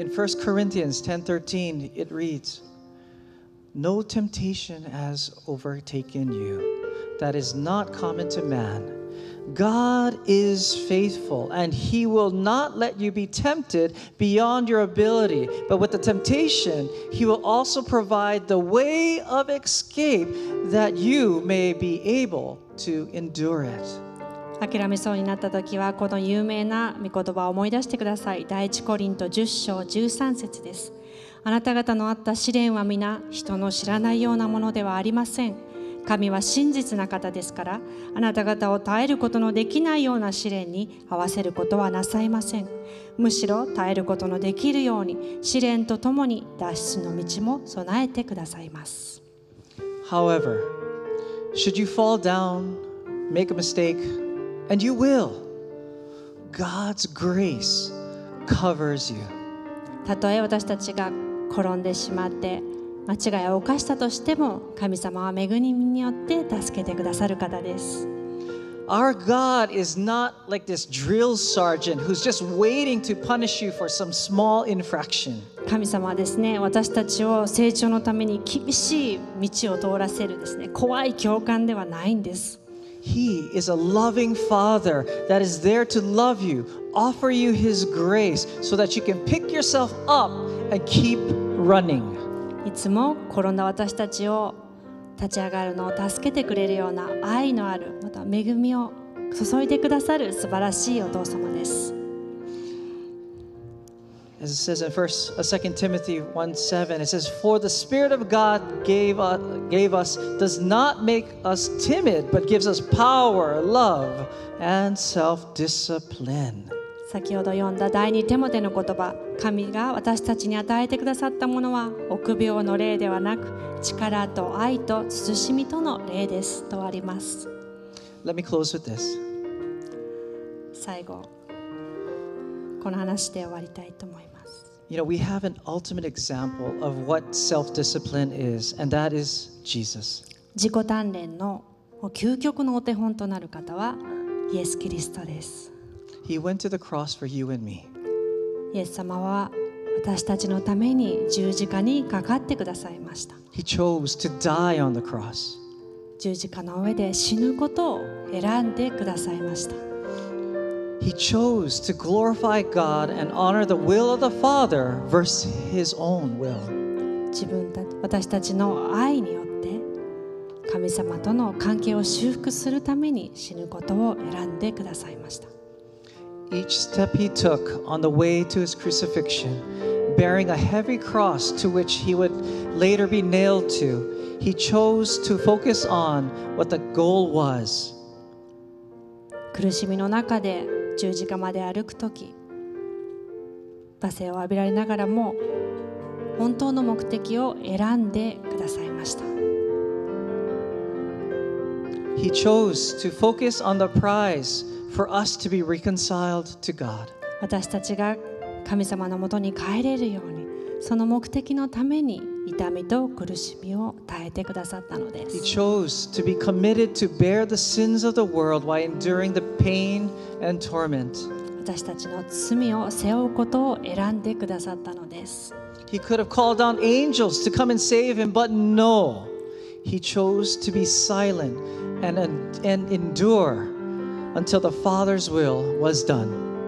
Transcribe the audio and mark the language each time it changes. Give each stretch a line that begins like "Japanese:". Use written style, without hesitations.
English: In 1 Corinthians 10:13, it reads, No temptation has overtaken you that is not common to man. God is faithful, and he will not let you be tempted beyond your ability. But with the temptation, he will also provide the way of escape. That you may be able to endure it.
Japanese: 諦めそうになった時はこの有名な御言葉を思い出してください。第一コリント10章13節です。あなた方のあった試練は皆人の知らないようなものではありません。神は真実な方ですから、あなた方を耐えることのできないような試練に合わせることはなさいません。むしろ耐えることのできるように、試練とともに脱出の道も備えてくださいます。
English: However, should you fall down, make a mistake, and you will, God's grace covers you.
Japanese: たとえ私たちが転んでしまって、間違いを犯したとしても神様は恵みによって助けてくださる方です。
English: Our God is not like this drill sergeant who's just waiting to punish you for some small infraction.
Japanese: 神様はですね、私たちを成長のために厳しい道を通らせるですね、怖い教官ではないんです。
English: He is a loving father that is there to love you, offer you his grace so that you can pick yourself up and keep running.
Japanese: いつも転んだ私たちを立ち上がるのを助けてくれるような愛のある、また恵みを注いでくださる素晴らしいお父様です。
English: As it says in 2 Timothy 1:7, it says, For the Spirit of God gave us, does not make us timid, but gives us power, love, and self-discipline.
Japanese: 先ほど読んだ第二テモテの言葉、神が私たちに与えてくださったものは臆病の霊ではなく、力と愛と慎みとの霊ですとあります。
English: Let me close with this.
Japanese: 最後、この話で終わりたいと思います。
English: You know, we have an ultimate example of what self-discipline is, and that is Jesus.
Japanese: 自己鍛錬の究極のお手本となる方はイエス・キリストです。
English: He went to the cross for you and me.
Japanese: イエス様は私たちのために十字架にかかってくださいました。
English: He chose to die on the cross.
Japanese: 十字架の上で死ぬことを選んでくださいました。
English: He chose to glorify God and honor the will of the Father versus his own will.
Japanese: 自分たち、私たちの愛によって神様との関係を修復するために死ぬことを選んでくださいました。
English: Each step he took on the way to his crucifixion, bearing a heavy cross to which he would later be nailed to, he chose to focus on what the goal was.
Japanese: 苦しみの中で十字架まで歩くとき、罵声を浴びられながらも本当の目的を選んでくださいました。
English: He chose to focus on the prize. For us to be reconciled to God.
Japanese: 私たちが神様のもとに帰れるように、その目的のために痛みと苦しみを耐えてくださったのです。
English: He chose to be committed to bear the sins of the world while enduring the pain and torment.
Japanese: 私たちの罪を背負うことを選んでくださったのです。
English: He could have called down angels to come and save him, but no. He chose to be silent and endureUntil the Father's will was done.